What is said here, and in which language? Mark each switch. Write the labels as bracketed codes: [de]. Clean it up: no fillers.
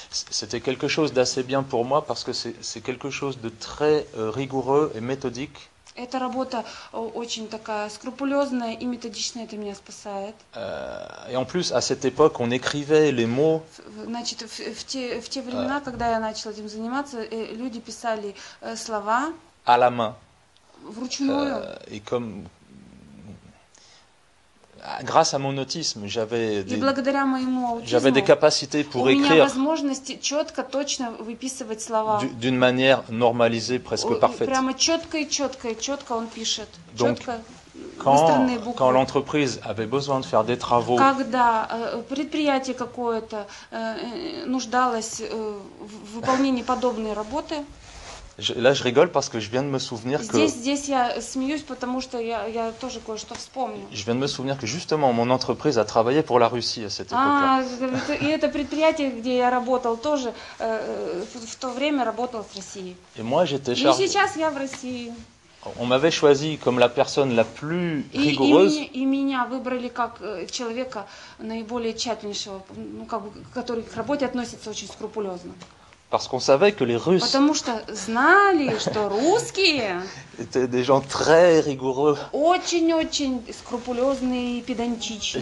[fr] C'était quelque chose d'assez bien pour moi parce que c'est quelque chose de très rigoureux et méthodique. [ru] Эта работа очень такая скрупулезная и методичная, это меня спасает. [fr] Et en plus, à cette époque, on écrivait les mots. [ru] Значит, в те времена, когда я начала этим заниматься, люди писали слова. [fr] À la main. [ru] Вручную. [fr] Et comme grâce à mon autisme, j'avais [ru] des, благодаря моему аутизму, [fr] j'avais des capacités pour écrire. [ru] У меня возможности четко, точно выписывать слова. [fr] D'une manière normalisée, presque parfaite. [ru] Прямо четко и четко и четко он пишет. [fr] Donc, [ru] четко, [fr] quand l'entreprise avait besoin de faire des travaux, [ru] когда предприятие какое-то нуждалось в выполнении подобной работы. [fr] Là, je rigole parce que je viens de me souvenir que. [ru] Здесь я смеюсь, потому что я тоже кое-что вспомню. [fr] Je viens de me souvenir que justement mon entreprise a travaillé pour la Russie à cette époque-là. [ru] И это предприятие, где я работал, тоже в то время работал в России. [fr] Et moi, j'étais chargé. [ru] Et сейчас я в России. [fr] On m'avait choisi comme la personne la plus rigoureuse. [ru] И меня выбрали как человека наиболее тщательнейшего, ну как бы, который к работе относится очень скрупулезно. [fr] Parce qu'on savait que les Russes. [ru] Потому что знали, что русские. [fr] Étaient des gens très rigoureux. [ru] Очень-очень скрупулезные и педантичные.